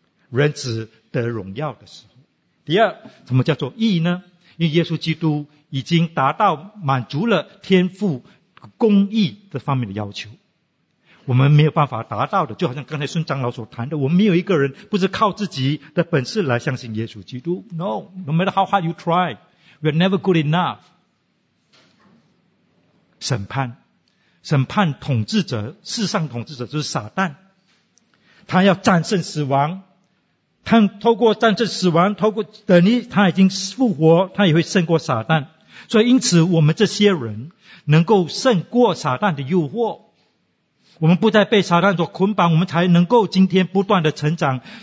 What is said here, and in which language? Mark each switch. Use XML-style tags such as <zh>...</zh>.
<zh>人子得荣耀的时候，第二，什么叫做义呢？因为耶稣基督已经达到满足了天父公义这方面的要求，我们没有办法达到的，就好像刚才孙长老所谈的，我们没有一个人不是靠自己的本事来相信耶稣基督。</zh> <en>No, no matter how hard you try, we're never good enough.</en> <zh>审判统治者，世上统治者就是撒旦，他要战胜死亡，他透过战胜死亡，透过等于他已经复活，他也会胜过撒旦。所以因此我们这些人能够胜过撒旦的诱惑，我们不再被撒旦所捆绑，我们才能够今天不断的成长。</zh>